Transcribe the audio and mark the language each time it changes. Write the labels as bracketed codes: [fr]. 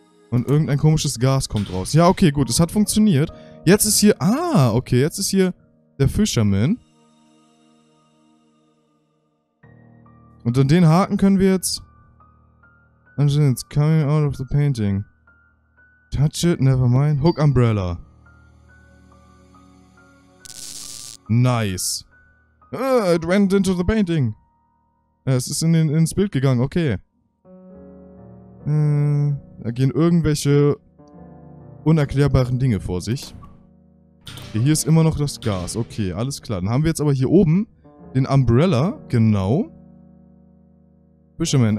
[de] Und irgendein komisches Gas kommt raus. Ja, okay, gut. Es hat funktioniert. Jetzt ist hier... Ah, okay. Jetzt ist hier der Fisherman. Und an den Haken können wir jetzt... [en] It's coming out of the painting. Touch it, never mind. Hook Umbrella. Nice. It went into the painting. [de] Es ist ins Bild gegangen, okay. Da gehen irgendwelche unerklärbaren Dinge vor sich. Okay, hier ist immer noch das Gas. Okay, alles klar. Dann haben wir jetzt aber hier oben den Umbrella. Genau. Fisherman.